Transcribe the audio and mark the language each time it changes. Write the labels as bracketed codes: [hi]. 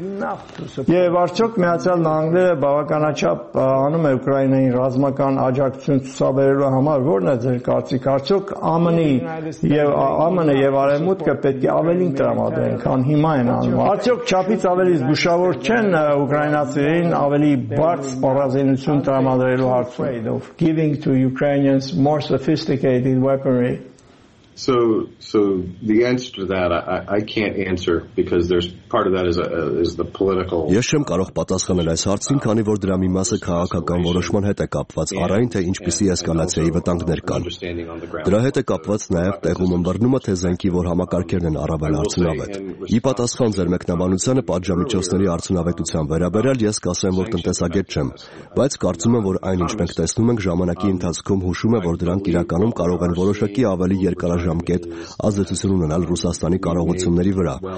[hy] Եվ արդյոք Միացյալ Նահանգները բավականաչափ անում է Ուկրաինայի ռազմական աջակցություն ցուցաբերելու համար, որն է ձեր կարծիք, արդյոք ԱՄՆ-ի եւ ԱՄՆ-ը եւ Արևմուտքը պետք է ավելին տրամադրեն, քան հիմա են անում, արդյոք չափից ավելի զգուշավոր չեն Ուկրաինացիներին ավելի բարձ սպառազինություն տրամադրելու հարցում, [en] giving to Ukrainians more sophisticated weaponry? So the answer to that I can't answer because there's part of that is the political. [hy] Ես չեմ կարող պատասխանել այս հարցին, քանի որ դրա մի մասը քաղաքական որոշման հետ է կապված, առ այն թե ինչպեսի էսկալացիայի վտանգներ կան։ Դրա հետ է կապված նաև տեղում ըմբռնումը, թե զենքի որ համակարգերն են առավել արդյունավետ։ Ի պատասխան ձեր մեկնաբանությանը պատժամիջոցների արդյունավետության վերաբերյալ ես կասեմ, որ տնտեսագետ չեմ, բայց կարծում եմ, որ այն ինչ մենք տեսնում ենք ժամանակի ընթացքում հուշում է, որ դրանք իրականում կարող են որոշակի ավելի կարճաժամկետ ազդեցություն ունենալ Ռուսաստանի կարողությունների վրա,